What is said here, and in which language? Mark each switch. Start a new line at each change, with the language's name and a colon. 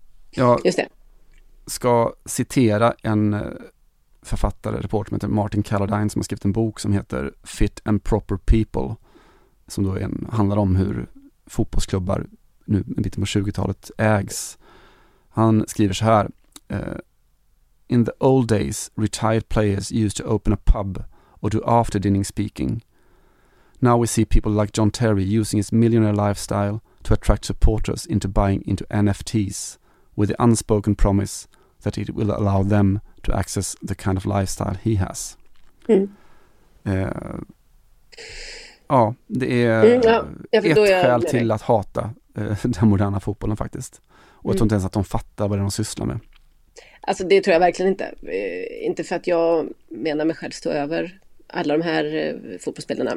Swedish: Jag just det. Ska citera en författare, reporter som heter Martin Calladine, som har skrivit en bok som heter Fit and Proper People, som då handlar om hur fotbollsklubbar nu en bit på 20-talet ägs.
English: Han skriver så här: In the old days, retired players used to open a pub or do after dinner speaking. Now we see people like John Terry using his millionaire lifestyle to attract supporters into buying into NFTs, with the unspoken promise that it will allow them to access the kind of lifestyle he has.
Swedish: Ja, det är ett skäl till att hata den moderna fotbollen faktiskt. Och jag tror inte ens att de fattar vad det är de sysslar med. Alltså det tror jag verkligen inte. Inte för att jag menar mig själv stå över alla de här fotbollsspelarna.